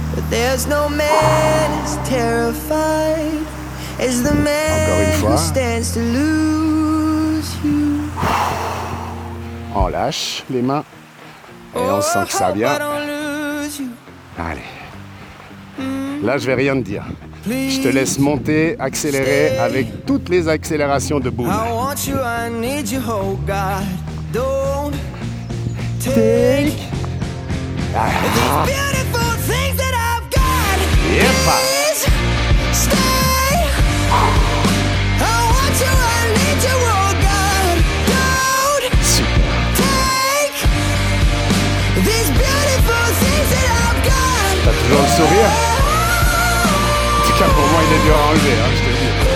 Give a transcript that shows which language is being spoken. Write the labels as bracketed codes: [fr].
[en] There's no man as terrified as the man who stands to lose you. [fr] En lâche les mains et on sent que ça vient. Allez, là je vais rien te dire. Je te laisse monter, accélérer avec toutes les accélérations de boule. [en] I want you, I need you, oh God, don't take. Yepa. Stay. I want you, I need you, oh God. Don't take these beautiful things that I've got. [fr] T'as toujours le sourire. En tout cas, pour moi, il est dur à enlever, hein, je te dis.